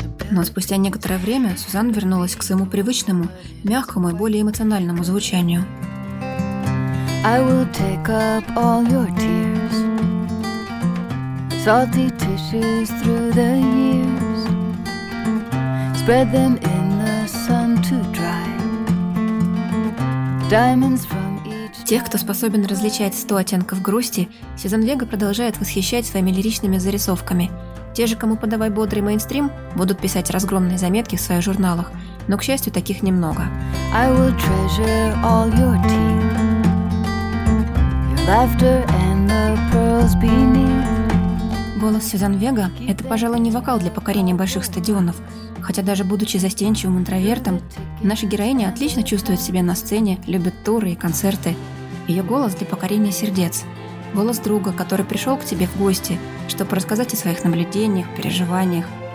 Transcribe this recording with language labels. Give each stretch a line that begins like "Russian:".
Russian: Но спустя некоторое время Сюзан вернулась к своему привычному, мягкому и более эмоциональному звучанию.
English: I will take up all your tears, salty tissues through the years, spread them in the sun to dry, diamonds from each.
Russian: Тех, кто способен различать 100 оттенков грусти, Сюзан Вега продолжает восхищать своими лиричными зарисовками. Те же, кому подавай бодрый мейнстрим, будут писать разгромные заметки в своих журналах, но, к счастью, таких немного.
English: I will treasure all your teeth, your laughter and the pearls beneath.
Russian: Голос Сюзан Вега – это, пожалуй, не вокал для покорения больших стадионов, хотя даже будучи застенчивым интровертом, наша героиня отлично чувствует себя на сцене, любит туры и концерты. Ее голос для покорения сердец. Голос друга, который пришел к тебе в гости, чтобы рассказать о своих наблюдениях, переживаниях.